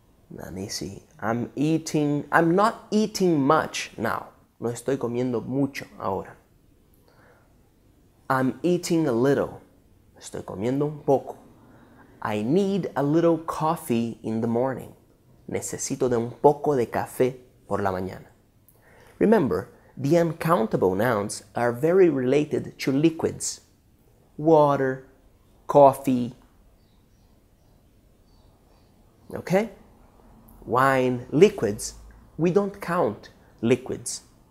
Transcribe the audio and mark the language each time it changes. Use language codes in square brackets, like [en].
[en] Let me see. I'm not eating much now. [es] No estoy comiendo mucho ahora. [en] I'm eating a little. [es] Estoy comiendo un poco. [en] I need a little coffee in the morning. [es] Necesito de un poco de café por la mañana. [en] Remember, the uncountable nouns are very related to liquids. Water, coffee, okay? Wine, liquids. We don't count liquids.